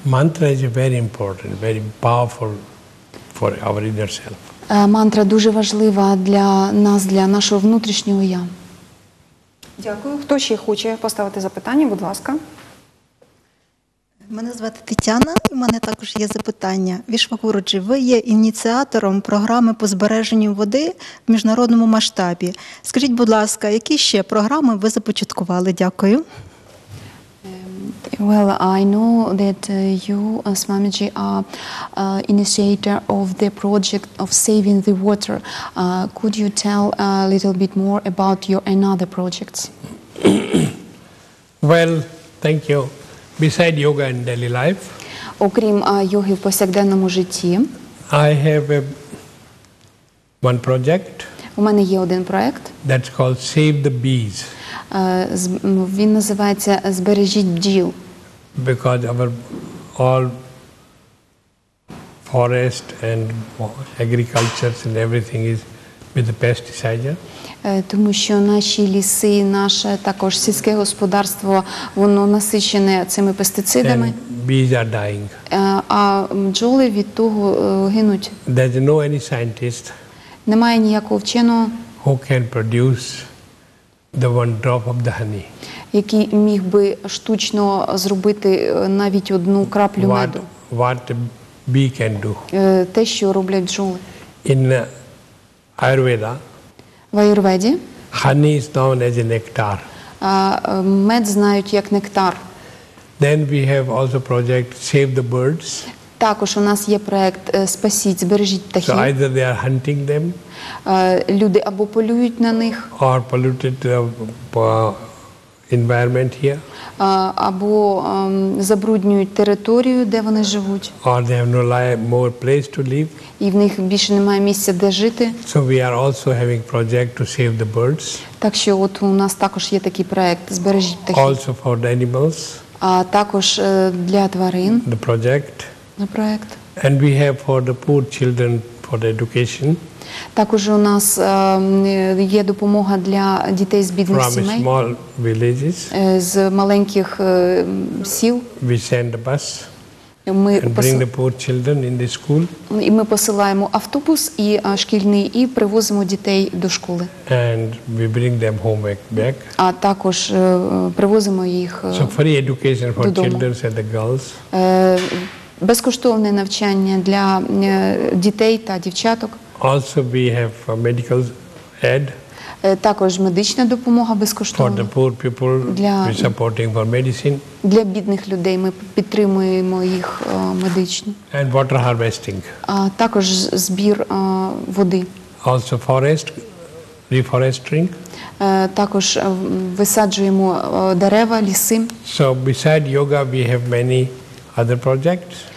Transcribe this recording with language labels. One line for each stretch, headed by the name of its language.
English: Mantra is very important, very powerful for our inner self.
Ukrainian: Мантра дуже важлива для нас, для нашого внутрішнього я. Дякую. Хто ще хоче поставити запитання, будь ласка. Мене звати Тетяна, і в мене також є запитання. Вішвагуруджі, ви є ініціатором програми по збереженню води в міжнародному масштабі. Скажіть, будь ласка, які ще програми ви започаткували? Дякую.
English: Well, I know that you, Swamiji, are initiator of the project of saving the water. Could you tell a little bit more about your another projects? Well, thank you. Beside yoga and daily life,
Ukrainian: окрім йоги в повсякденному житті,
English: I have one project.
Ukrainian: У мене є один проект.
English: That's called Save the Bees.
Ukrainian: Він називається «Збережіть бджіл».
English: Because our all forest and agriculture and everything is with the pesticide.
Ukrainian: Тому що наші ліси, наше також сільське господарство, воно насичене цими пестицидами.
English: And bees are dying.
Ukrainian: А бджоли від того гинуть.
English: There's no any scientist.
Ukrainian: Немає ніякого вченого.
English: Who can produce the one drop of the honey?
Ukrainian: Який міг би штучно зробити навіть одну краплю меду?
English: What bee can do?
Ukrainian: Те, що роблять бджоли.
English: In Ayurveda.
Ukrainian: В Айурведі.
English: Honey is known as a nectar.
Ukrainian: Мед знають як нектар.
English: Then we have also project Save the Birds.
Ukrainian: Також у нас є проект «Спасіть, збережіть птахів».
English: So either they are hunting them.
Ukrainian: Люди або полюють на них.
English: Or polluted the environment here.
Ukrainian: Або забруднюють територію, де вони живуть.
English: Or they have no more place to live.
Ukrainian: І в них більше немає місця, де жити.
English: So we are also having project to save the birds.
Ukrainian: Так що от у нас також є такий проект «Збережіть птахів».
English: Also for the animals.
Ukrainian: А також для тварин.
English: The project.
Ukrainian: На проект.
English: And we have for the poor children for the education.
Ukrainian: Також у нас є допомога для дітей з бідних сімей.
English: From small villages.
Ukrainian: З маленьких сіл.
English: We send a bus. Bring the poor children in the school.
Ukrainian: І ми посилаємо автобус і шкільний і привозимо дітей до школи.
English: And we bring them home back.
Ukrainian: А також привозимо їх додому.
English: So free education for children and the girls.
Ukrainian: Безкоштовне навчання для дітей та дівчаток.
English: Also we have medical aid.
Ukrainian: Також медична допомога безкоштовна.
English: For the poor people, для, we're supporting for medicine.
Ukrainian: Для бідних людей ми підтримуємо їх медично.
English: And water harvesting.
Ukrainian: Також збір води.
English: Also forest, reforesting.
Ukrainian: Також висаджуємо дерева, ліси.
English: So beside yoga we have many other projects.